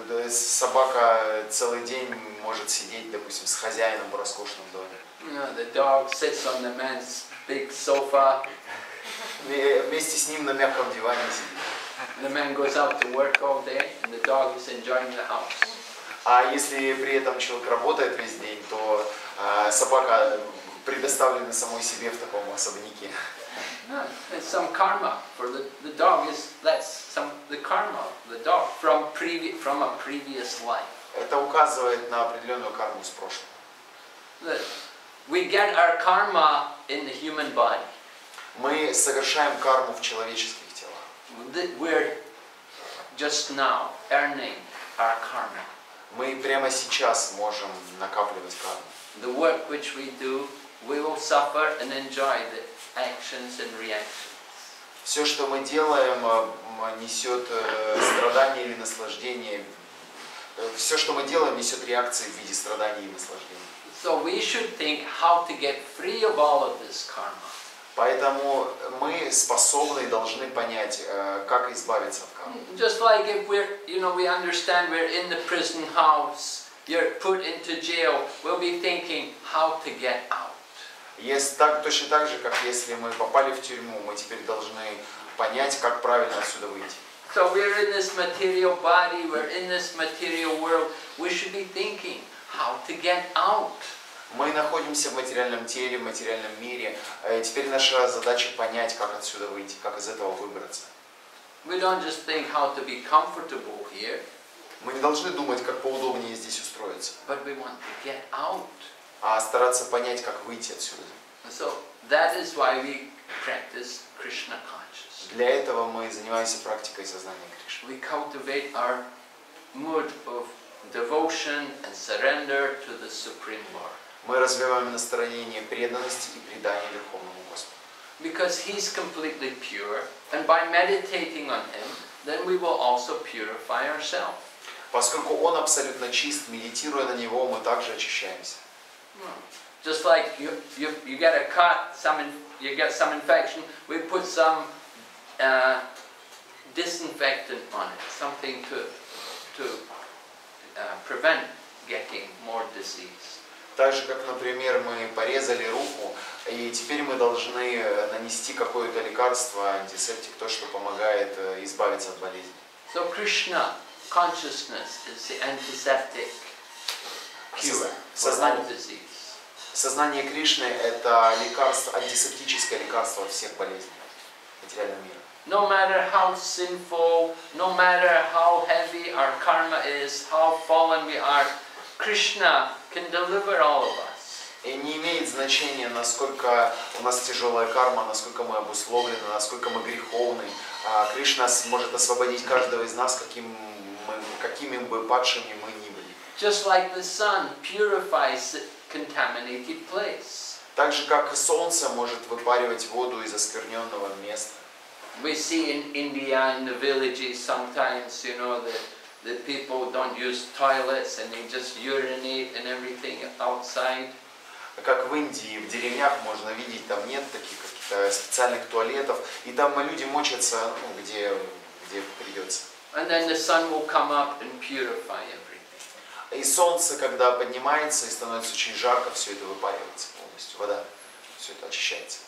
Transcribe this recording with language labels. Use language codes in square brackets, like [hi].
[ru] Собака целый день может сидеть, допустим, с хозяином в роскошном доме. [en] The dog sits on the man's big sofa. [ru] Вместе с ним на мягком диване сидит. [en] The man goes out to work all day, and the dog is enjoying the house. [ru] А если при этом человек работает весь день, то собака предоставлена самой себе в таком особняке. [en] It's some karma for the dog is that's some the karma the dog from a previous life. [ru] Это указывает на определенную карму с прошлого. [en] We get our karma in the human body. [ru] Мы совершаем карму в человеческих телах. [en] We're just now earning our karma. [ru] Мы прямо сейчас можем накапливать карму. [en] The work which we do, we will suffer and enjoy the actions and reactions. [ru] Все, что мы делаем, несет страдания или наслаждения. Все, что мы делаем, несет реакции в виде страданий и наслаждений. [en] So we should think how to get free of all of this karma. [ru] Поэтому мы способны и должны понять, как избавиться от кармы. [en] Just like if we're, you know, we understand we're in the prison house, you're put into jail, we'll be thinking how to get out. [ru] Если так, точно так же, как если мы попали в тюрьму, мы теперь должны понять, как правильно отсюда выйти. [en] So we're in this material body, we're in this material world, we should be thinking how to get out. [ru] Мы находимся в материальном теле, в материальном мире. Теперь наша задача понять, как отсюда выйти, как из этого выбраться. [en] We don't just think how to be comfortable here. [ru] Мы не должны думать, как поудобнее здесь устроиться. [en] But we want to get out. [ru] А стараться понять, как выйти отсюда. [en] So that is why we practice Krishna consciousness. [ru] Для этого мы занимаемся практикой сознания Кришны. [en] We cultivate our mood of devotion and surrender to the Supreme Lord. [ru] Мы развиваем настроение преданности и предания Верховному Господу. [en] Because he's completely pure, and by meditating on him, then we will also purify ourselves. [ru] Поскольку он абсолютно чист, медитируя на него, мы также очищаемся. [en] Just like you get a cut, you get some infection, we put some disinfectant on it, something to prevent getting more disease. [ru] Так же, как, например, мы порезали руку, и теперь мы должны нанести какое-то лекарство, антисептик, то, что помогает избавиться от болезни. [en] So Krishna consciousness is the antiseptic cure for all disease. [ru] Сознание Кришны — это лекарство, антисептическое лекарство от всех болезней материального мира. [en] No matter how sinful, no matter how heavy our karma is, how fallen we are, Krishna can deliver all of us. [ru] И не имеет значения, насколько у нас тяжелая карма, насколько мы обусловлены, насколько мы греховны. Кришна может освободить каждого из нас, какими бы падшими мы ни были. [en] Just like the sun purifies the contaminated place. [ru] Так же, как солнце может выпаривать воду из оскверненного места. [en] We see in India, in the villages sometimes, you know, the people don't use toilets and they just urinate and everything outside. [ru] Как в Индии, в деревнях можно видеть, там нет таких каких-то специальных туалетов, и там люди мочатся, ну, где придется. [en] And then the sun will come up and purify everything. [ru] И солнце, когда поднимается и становится очень жарко, все это выпаривается полностью, вода, все это очищается.